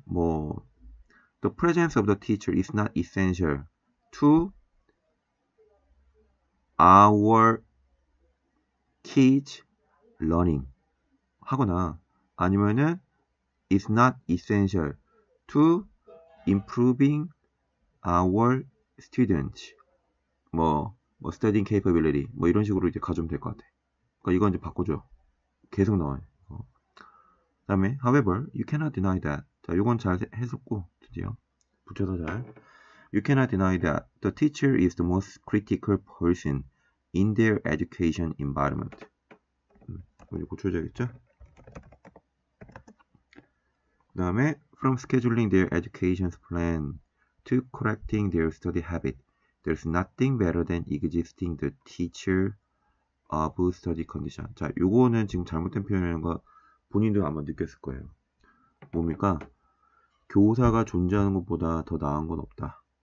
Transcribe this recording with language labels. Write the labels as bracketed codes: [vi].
[en] 뭐 The presence of the teacher is not essential to our kids learning [ko] 하거나 아니면은 [en] is not essential to improving our students 뭐 studying capability [ko] 뭐 이런 식으로 이제 가주면 될것 같아. 그러니까 이건 이제 바꿔줘. 계속 나와요. 그다음에 [en] however you cannot deny that. [ko] 자, 이건 잘 해석고 드디어 붙여서 잘. [en] You cannot deny that the teacher is the most critical person in their education environment. [ko] 고쳐줘야겠죠? [en] 그다음에 from scheduling their education plan to correcting their study habit, there's nothing better than existing the teacher of study condition. [ko] 자, 요거는 지금 잘못된 표현이라는 거 본인도 아마 느꼈을 거예요. 뭡니까? 교사가 존재하는 것보다 더 나은 건 없다.